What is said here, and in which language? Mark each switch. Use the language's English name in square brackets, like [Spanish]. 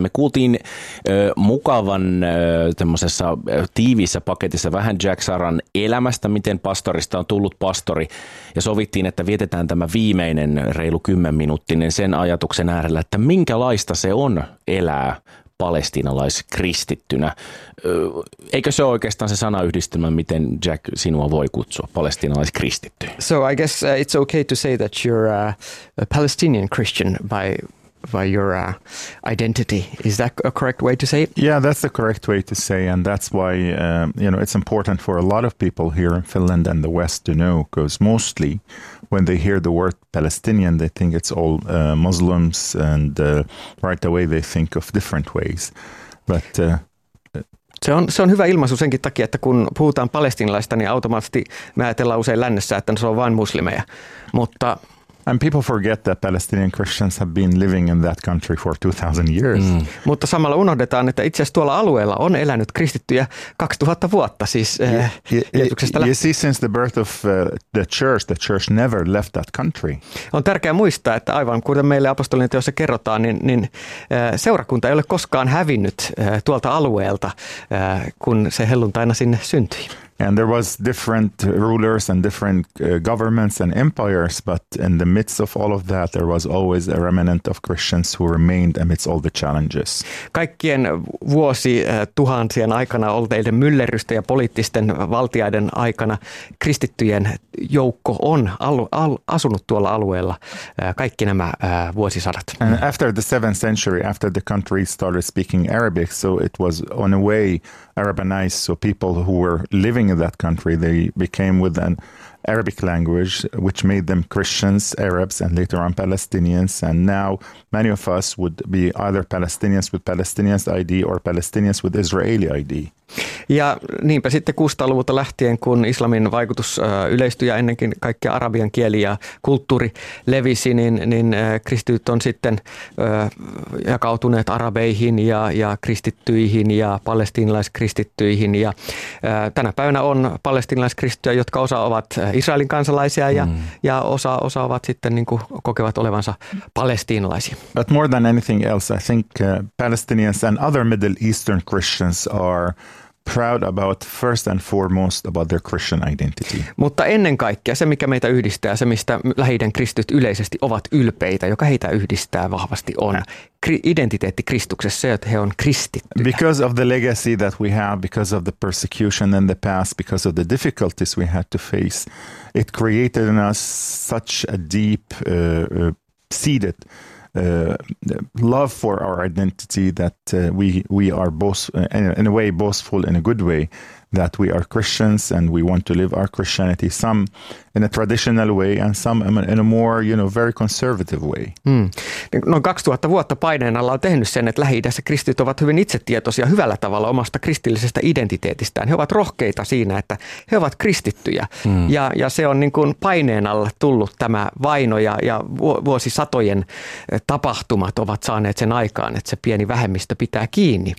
[Finnish] Me kuultiin mukavan tämmöisessä tiiviissä paketissa vähän Jack Sarran elämästä, miten pastorista on tullut pastori. Ja sovittiin, että vietetään tämä viimeinen reilu 10-minuuttinen sen ajatuksen äärellä, että minkälaista se on elää palestiinalaiskristittynä. Eikö se ole oikeastaan se sanayhdistelmä, miten Jack sinua voi kutsua palestiinalaiskristitty? [English] So I guess it's okay to say that you're a Palestinian Christian by your identity. Is that a correct way to say it? Yeah, that's the correct way to say, and that's why you know, it's important for a lot of people here in Finland and the West to know, because mostly when they hear the word Palestinian, they think it's all Muslims, and right away they think of different ways. But [Finnish] Se on hyvä ilmaisu senkin takia, että kun puhutaan palestinalaista, niin automaattisesti me ajatellaan usein lännessä, että se on vain muslimeja. Mutta [English] and people forget that Palestinian Christians have been living in that country for 2000 years. Mm. [Finnish] Mutta samalla unohdetaan, että itse asiassa tuolla alueella on elänyt kristittyjä 2000 vuotta, siis Jeesuksesta lähtien. [English] You see, since the birth of the church never left that country. [Finnish] On tärkeää muistaa, että aivan kuten meille apostolien teossa kerrotaan, niin seurakunta ei ole koskaan hävinnyt tuolta alueelta, kun se helluntaina sinne syntyi. [English] And there was different rulers and different governments and empires, but in the midst of all of that, there was always a remnant of Christians who remained amidst all the challenges. [Finnish] Kaikkien vuosituhansien aikana olteiden myllerrystä ja poliittisten valtioiden aikana kristittyjen joukko on asunut tuolla alueella kaikki nämä vuosisadat. [English] And after the 7th century, after the country started speaking Arabic, so it was on a way Arabized, so people who were living in that country, they became with an Arabic language, which made them Christians, Arabs, and later on Palestinians. And now many of us would be either Palestinians with Palestinians ID or Palestinians with Israeli ID. [Finnish] Ja niinpä sitten 600-luvulta lähtien, kun islamin vaikutus yleistyi ja ennenkin kaikkea arabian kieli ja kulttuuri levisi, niin kristityt on sitten jakautuneet arabeihin ja kristittyihin ja palestiinalaiskristittyihin. Ja tänä päivänä on palestiinalaiskristittyjä, jotka osa ovat Israelin kansalaisia ja osa ovat sitten niin kuin kokevat olevansa palestiinalaisia. [English] But more than anything else, I think Palestinians and other Middle Eastern Christians are proud about first and foremost about their Christian identity. [Finnish] Mutta ennen kaikkea se, mikä meitä yhdistää, se mistä lähi-idän kristityt yleisesti ovat ylpeitä, joka heitä yhdistää vahvasti, on identiteetti Kristuksessa, että he on kristittyjä. [English] Because of the legacy that we have, because of the persecution in the past, because of the difficulties we had to face, it created in us such a deep seated love for our identity that we are both in a way boastful in a good way that we are Christians and we want to live our Christianity some in a traditional way and some in a more, you know, very conservative way. [Finnish] No 2000 vuotta paineen alla on tehnyt sen, että Lähi-idässä kristityt ovat hyvin itsetietoisia hyvällä tavalla omasta kristillisestä identiteetistään. He ovat rohkeita siinä, että he ovat kristittyjä. Ja se on niin kuin paineen alla tullut tämä vaino ja vuosisatojen tapahtumat ovat saaneet sen aikaan, että se pieni vähemmistö pitää kiinni.